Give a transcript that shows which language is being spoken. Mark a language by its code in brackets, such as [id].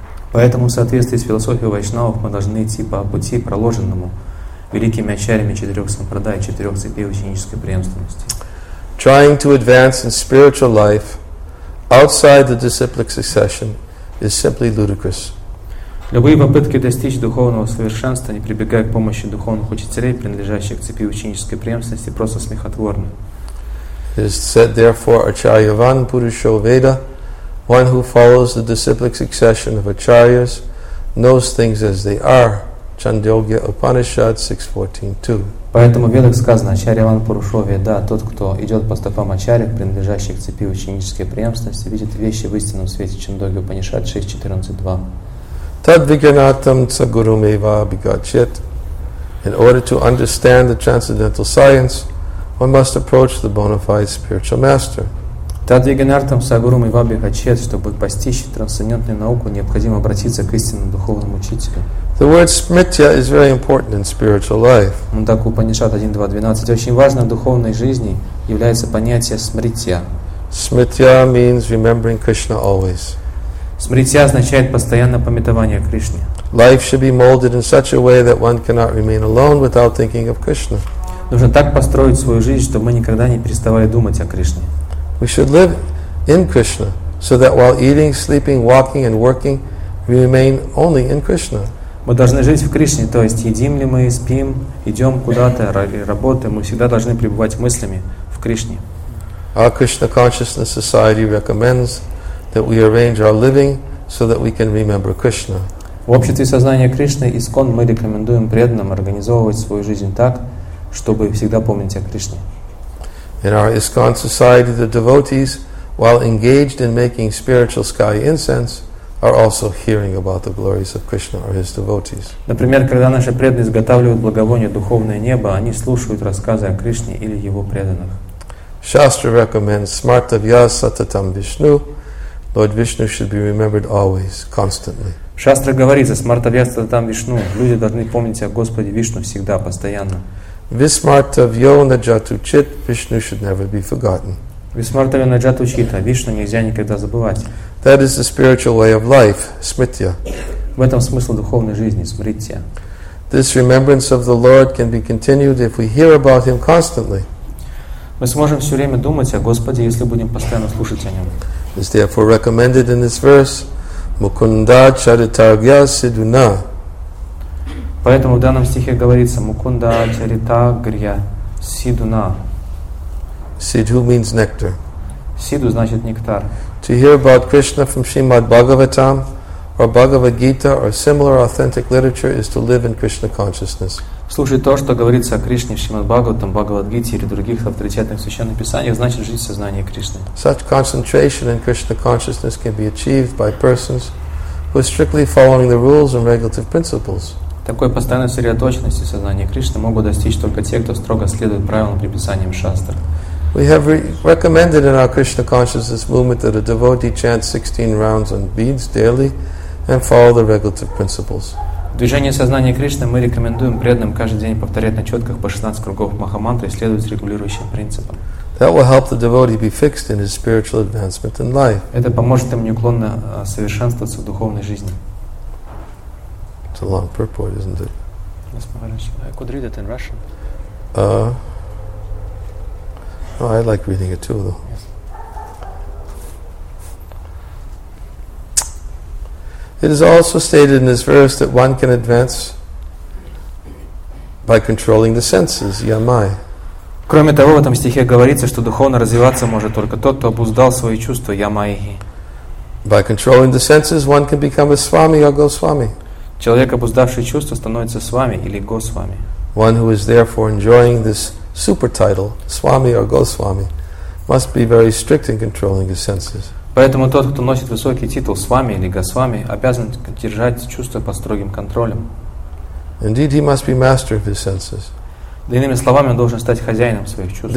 [ru] Поэтому в соответствии с философией вайшнавов мы должны идти по пути, проложенному великими ачарьями четырех сампрадай, четырех цепей ученической преемственности. [en] Trying to advance in spiritual life outside the disciplic succession is simply ludicrous. [ru] Любые попытки достичь духовного совершенства, не прибегая к помощи духовных учителей, принадлежащих к цепи ученической преемственности, просто смехотворны. [en] It is said, therefore, [sa] Acharyavan Purusho Veda, [en] one who follows the disciplic succession of acharyas knows things as they are. Chandogya Upanishad 6.14.2. [ru] Поэтому в Ведах сказано, [sa] Ачарьяван Пурушо Веда, [ru] тот, кто идет по стопам ачарьи, принадлежащих цепи ученической преемственности, видит вещи в истинном свете. [en] Chandogya Upanishad 6.14.2. [sa] Tad vigyanatam ca gurum eva abhigachyat. [en] In order to understand the transcendental science, one must approach the bona fide spiritual master. [sa] Таддвиганартам сагурум и вабихачет, [ru] чтобы постичь трансцендентную науку, необходимо обратиться к истинному духовному учителю. [en] The word smritya is very important in spiritual life. [ru] Мундаку Упанишат 1.2.12. Очень важно в духовной жизни является понятие смритья. [en] Smritya means remembering Krishna always. [ru] Смритья означает постоянное памятование Кришне. [en] Life should be molded in such a way that one cannot remain alone without thinking of Krishna. [ru] Нужно так построить свою жизнь, чтобы мы никогда не переставали думать о Кришне. [en] We should live in Krishna, so that while eating, sleeping, walking, and working, we remain only in Krishna. [ru] Мы должны жить в Кришне, то есть едим ли мы, спим, идем куда-то, работаем, мы всегда должны пребывать мыслями в Кришне. [en] Our Krishna Consciousness Society recommends that we arrange our living so that we can remember Krishna. [ru] В обществе сознания Кришны ИСККОН мы рекомендуем преданным организовывать свою жизнь так, чтобы всегда помнить о Кришне. [en] In our ISKCON society, the devotees, while engaged in making spiritual sky incense, are also hearing about the glories of Krishna or his devotees. [ru] Например, когда наши преданные изготавливают благовоние духовное небо, они слушают рассказы о Кришне или его преданных. [en] Shastra recommends [sa] smartavya satatam Vishnu. [en] Lord Vishnu should be remembered always, constantly. [ru] Shastra говорит о [sa] смартавья сататам Вишну. [ru] Люди должны помнить о Господе Вишну всегда, постоянно. [sa] Vismartavyo najatu chit, [en] Vishnu should never be forgotten. [sa] Vismartavyo najatu chit, [ru] Vishnu нельзя никогда забывать. [en] That is the spiritual way of life, smritya. [ru] В этом смысл духовной жизни, смритья. [en] This remembrance of the Lord can be continued if we hear about Him constantly. [ru] Мы сможем все время думать о Господе, если будем постоянно слушать о Нем. [en] It is therefore recommended in this verse, [sa] Mukunda charitagya siduna. [ru] Поэтому в данном стихе говорится [sa] Мукунда Чарита Грья Сидуна. [en] Сидху means nectar. [ru] Сиду значит нектар. [en] To hear about Krishna from Srimad Bhagavatam or Bhagavad Gita or similar authentic literature is to live in Krishna consciousness. [ru] Слушать то, что говорится о Кришне в Шримад Бхагаватам, Бхагавад Гите или других авторитетных священных писаниях, значит жить в сознании Кришны. [en] Such concentration in Krishna consciousness can be achieved by persons who are strictly following the rules and regulative principles. [ru] Такой постоянной сосредоточенности сознания Кришны могут достичь только те, кто строго следует правилам приписаниям шастр. [en] We have recommended in our Krishna consciousness movement that a devotee chant 16 rounds on beads daily and follow the regulative principles. [ru] Движение сознания Кришны мы рекомендуем преданным каждый день повторять на четках по 16 кругов Махамантры и следовать регулирующим принципам. [en] That will help the devotee be fixed in his spiritual advancement in life. [ru] Это поможет им неуклонно совершенствоваться в духовной жизни. [en] It's a long purport, isn't it? Yes, Maharaj. I could read it in Russian. I like reading it too, though. Yes. It is also stated in this verse that one can advance by controlling the senses, yamai. [ru] Кроме того, в этом стихе говорится, что духовно развиваться может только тот, кто обуздал свои чувства, ямайхи. [en] By controlling the senses, one can become a swami or goswami. [ru] Человек, обуздавший чувства, становится свами или госвами. [en] One who is therefore enjoying this super title, swami or goswami, must be very strict in controlling his senses. [ru] Поэтому тот, кто носит высокий титул свами или госвами, обязан держать чувства под строгим контролем. [en] Indeed, he must be master of his senses. [ru] Да, иными словами, он должен стать хозяином своих чувств.